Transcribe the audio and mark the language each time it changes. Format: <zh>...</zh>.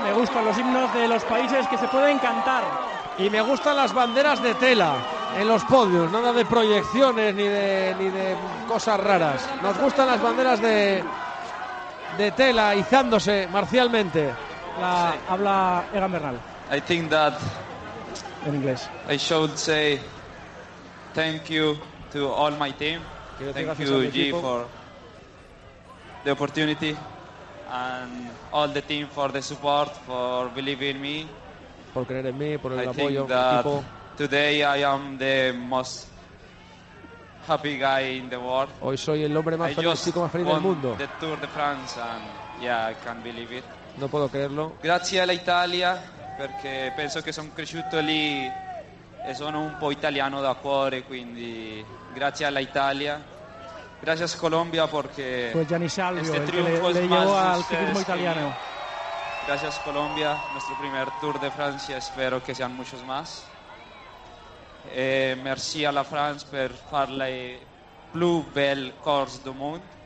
<es>Me gustan los himnos de los países que se pueden cantar. Y me gustan las banderas de tela en los podios, nada de proyecciones ni de cosas raras. Nos gustan las banderas de tela izándose marcialmente. Habla Egan Bernal.</es> <en>I think that</en> <es>en inglés.</es> <en>I should say thank you to all my team. Thank you G for the opportunity and all the team for the support, for believing in me,</en> <es>por creer en mí, por el apoyo.</es> <en>I think that today I am the most happy guy in the world.</en> <es>Hoy soy el hombre más feliz, chico más feliz del mundo.</es> <en>The Tour de France and yeah, I can't believe it.</en> <es>No puedo creerlo. Gracias a la Italia, porque pienso que</es> <it>son cresciuto lì e sono un po' italiano da cuore, quindi grazie alla Italia.</it> <es>Gracias Colombia porque pues Gianni Salvio, este triunfo le llevó al ciclismo italiano. Gracias Colombia, nuestro primer Tour de Francia, espero que sean muchos más.</es> <fr>Merci a la France per far la plus belle course du monde.</fr>